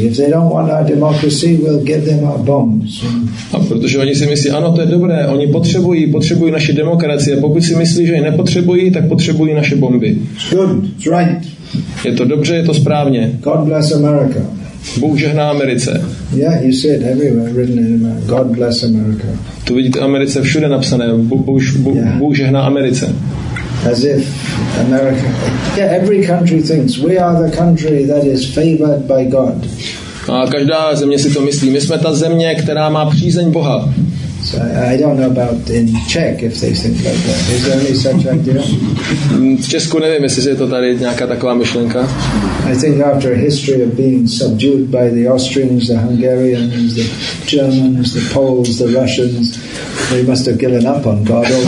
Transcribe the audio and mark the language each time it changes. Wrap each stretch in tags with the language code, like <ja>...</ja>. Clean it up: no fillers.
<en>If they don't want our democracy, we'll give them our bombs.</en> <cs>A protože oni si myslí, ano, to je dobré, oni potřebují naše demokracie. Pokud si myslí, že je nepotřebují, tak potřebují naše bomby.</cs> <en>It's good, it's right.</en> <cs>Je to dobře, je to správně.</cs> <en>God bless America.</en> <cs>Bůh žehná Americe.</cs> <en>Yeah, you see it everywhere written in America. God bless America.</en> <cs>Tu vidíte Americe všude napsané. Bůh žehná Americe.</cs> <en>As if America. Yeah, every country thinks we are the country that is favored by God.</en> <cs>A každá země si to myslí. My jsme ta země, která má přízeň Boha.</cs> <en>So I don't know about in Czech if they think like that. Is there any such idea?</en> <cs>V Česku nevím, jestli je to tady nějaká taková myšlenka.</cs> <en>I think after a history of being subdued by the Austrians, the Hungarians, the Germans, the Poles, the Russians, they must have given up on God.</en>